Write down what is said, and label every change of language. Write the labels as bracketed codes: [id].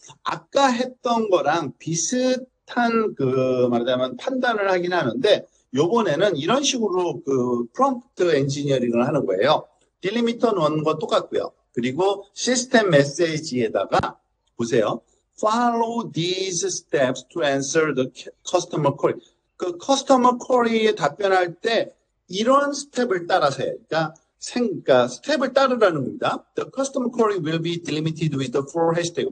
[ko] 아까 했던 거랑 비슷한 말하자면 판단을 하긴 하는데 요번에는 이런 식으로 프롬프트 엔지니어링을 하는 거예요. 딜리미터 넣은 건 똑같고요. 그리고 시스템 메시지에다가 보세요. [en] Follow these steps to answer the customer query. [ko] 그 customer query에 답변할 때 이런 스텝을 따라서 해요. 그러니까 스텝을 따르라는 겁니다. [en] The customer query will be delimited with the four hashtags.